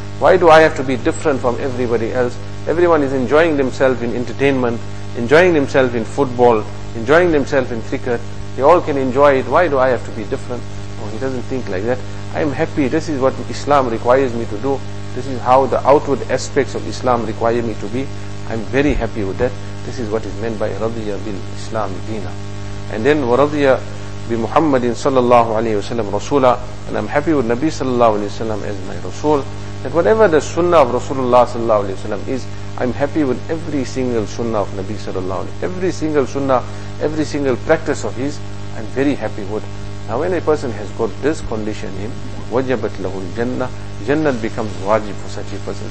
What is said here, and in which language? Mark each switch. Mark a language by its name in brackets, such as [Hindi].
[English] Why do I have to be different from everybody else? Everyone is enjoying themselves in entertainment, enjoying themselves in football, enjoying themselves in cricket. They all can enjoy it. Why do I have to be different? Oh, he doesn't think like that. I am happy. This is what Islam requires me to do. This is how the outward aspects of Islam require me to be. I am very happy with that. This is what is meant by [Arabic] رَضِيَ بِالْإِسْلَامِ دِينَ. [English] And then [Arabic] وَرَضِيَ بِمُحَمَّدٍ صَلَّى اللَّهُ عَلَيْهِ وَسَلَّمَ رَسُولًا. [English] And I am happy with Nabi صلى الله عليه وسلم as my Rasul. That whatever the sunnah of Rasulullah صلى الله عليه وسلم is, I'm happy with every single sunnah of Nabi sallallahu alayhi wa sallam. Every single sunnah, every single practice of his, I'm very happy with. Now when a person has got this condition in, [Arabic] wajabat lahul jannah, [English] jannah becomes wajib for such a person.